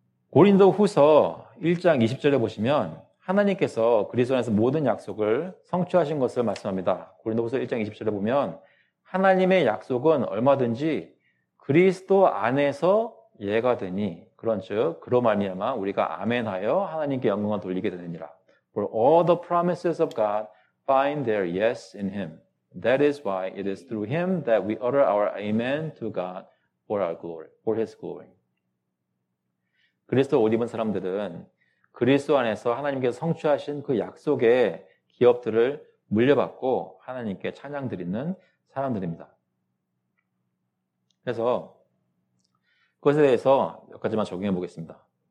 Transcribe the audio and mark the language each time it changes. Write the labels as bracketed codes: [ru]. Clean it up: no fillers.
[ko] 고린도 후서 1장 20절에 보시면 하나님께서 그리스도 안에서 모든 약속을 성취하신 것을 말씀합니다. 고린도 후서 1장 20절에 보면 하나님의 약속은 얼마든지 그리스도 안에서 예가 되니 그런즉 그로 말미암아 우리가 아멘하여 하나님께 영광을 돌리게 되느니라. [en] For all the promises of God find their yes in him. That is why it is through him that we utter our amen to God for our glory, for his glory. [ko] 그리스도 옷 입은 사람들은 그리스도 안에서 하나님께서 성취하신 그 약속의 기업들을 물려받고 하나님께 찬양 드리는 사람들입니다. 그래서 그것에 대해서 몇 가지만 적용해 보겠습니다.